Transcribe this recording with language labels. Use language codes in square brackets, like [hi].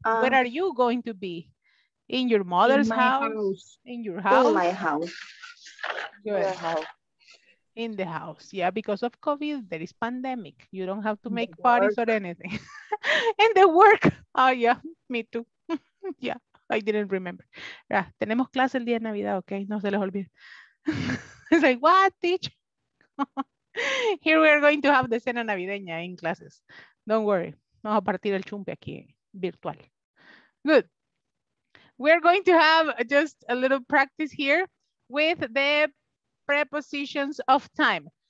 [en] Where are you going to be? In your mother's house? In your house? In my house. Good. In the house. Yeah, because of COVID, there is pandemic. You don't have to make parties or anything. In the work. Oh, yeah, me too. Yeah, I didn't remember. [es] Yeah, tenemos clase el día de Navidad, okay? No se les olvide. [en] It's like, what, teacher? Here we are going to have the [es] cena navideña [en] in classes. Don't worry. [es] Vamos a partir el chumpe aquí, virtual. Good. [en] We're going to have just a little practice here with the prepositions of time.